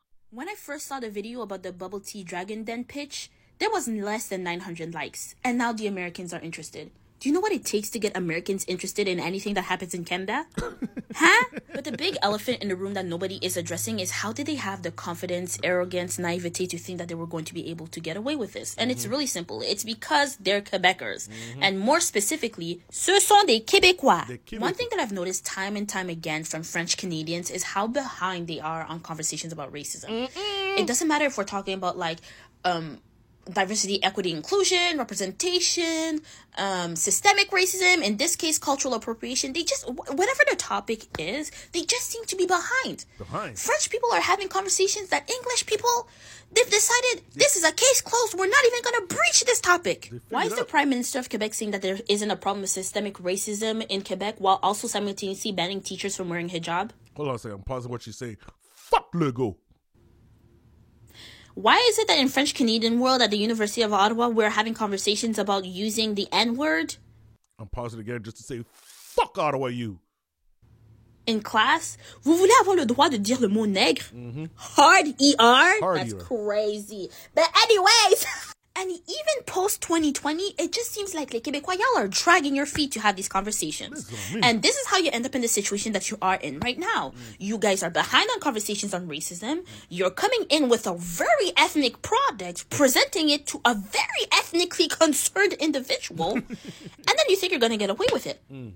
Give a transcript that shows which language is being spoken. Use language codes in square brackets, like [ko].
[en] When I first saw the video about the bubble tea Dragon Den pitch, there was less than 900 likes, and now the Americans are interested. Do you know what it takes to get Americans interested in anything that happens in Canada? Huh? But the big elephant in the room that nobody is addressing is, how did they have the confidence, arrogance, naivete to think that they were going to be able to get away with this? And It's really simple. It's because they're Quebecers. Mm-hmm. And more specifically, [fr] ce sont des Québécois. [en] One thing that I've noticed time and time again from French Canadians is how behind they are on conversations about racism. Mm-mm. It doesn't matter if we're talking about, like, diversity, equity, inclusion, representation, systemic racism, in this case, cultural appropriation. They just, whatever the topic is, they just seem to be behind. Behind. French people are having conversations that English people, they've decided this is a case closed. We're not even going to breach this topic. Why is the Prime Minister of Quebec saying that there isn't a problem with systemic racism in Quebec while also simultaneously banning teachers from wearing hijab? Hold on a second. I'm pausing what she's saying. Fuck Legault. Why is it that in French Canadian world at the University of Ottawa, we're having conversations about using the N-word? I'm pausing again just to say, fuck Ottawa, you. In class, [fr] vous voulez avoir le droit de dire le mot nègre? [en] Mm-hmm. Hard E-R? Hard That's E-R. Crazy. But anyways, and even post-2020, it just seems like les Québécois, y'all are dragging your feet to have these conversations. And this is how you end up in the situation that you are in right now. Mm. You guys are behind on conversations on racism. Mm. You're coming in with a very ethnic product, presenting it to a very ethnically concerned individual, and then you think you're going to get away with it. Mm.